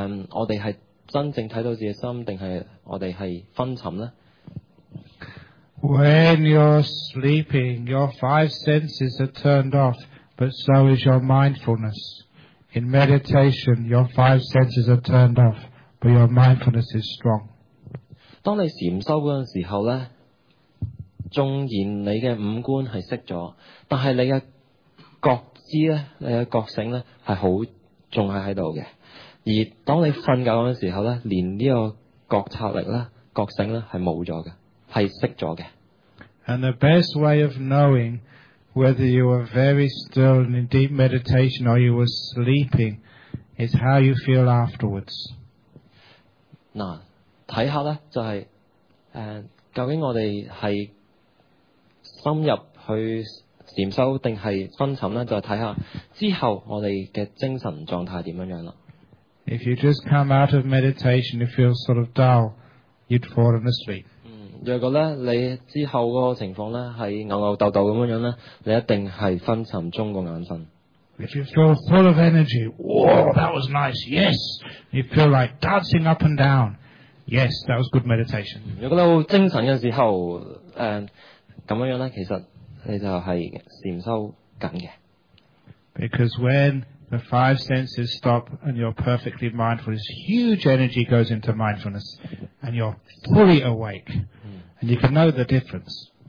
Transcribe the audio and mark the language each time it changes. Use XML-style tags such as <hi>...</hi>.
<yue>我哋係真正睇到自己心，定係我哋係昏沉呢？</yue> <en>When you're sleeping, your five senses are turned off, but so is your mindfulness. In meditation, your five senses are turned off, but your mindfulness is strong.</en> <yue>當你禅修嗰陣時候咧，縱然你嘅五官係熄咗，但係你嘅覺知咧，你嘅覺醒咧係好仲係喺度嘅。而當你瞓覺嗰陣時候咧，連呢個覺察力咧、覺醒咧係冇咗嘅，係熄咗嘅。</yue> <en>And the best way of knowing whether you are very still and in deep meditation or you were sleeping is how you feel afterwards.</en> <yue>嗱，睇下咧就係、是、究竟我哋係深入去禅修定係昏沉咧，就係睇下之後我哋嘅精神狀態點樣樣啦。</yue> <en>If you just come out of meditation, you feel sort of dull, you'd fallen asleep.</en> <yue>若果咧你之後嗰個情況咧係牛牛豆豆咁樣樣咧，你一定係昏沉中個眼瞓。</yue> <en>If you feel full of energy, whoa, that was nice, yes. You feel like dancing up and down, yes, that was good meditation.</en> <yue>若果你好精神嘅時候，咁樣樣咧，其實你就係禅修緊嘅。</yue> <en>Because when the five senses stop and you're perfectly mindful, this huge energy goes into mindfulness and you're fully awake and you can know the difference.</en>